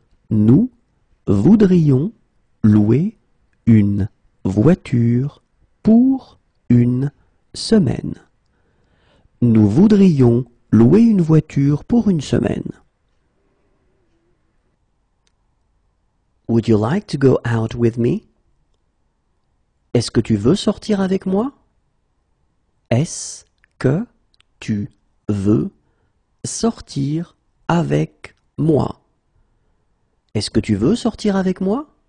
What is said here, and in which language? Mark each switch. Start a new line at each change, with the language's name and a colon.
French: Nous voudrions louer une voiture pour une semaine. Nous voudrions louer une voiture pour une semaine.
English: Would you like to go out with me?
French: Est-ce que tu veux sortir avec moi? Est-ce que tu veux sortir avec moi? Est-ce que tu veux sortir avec moi?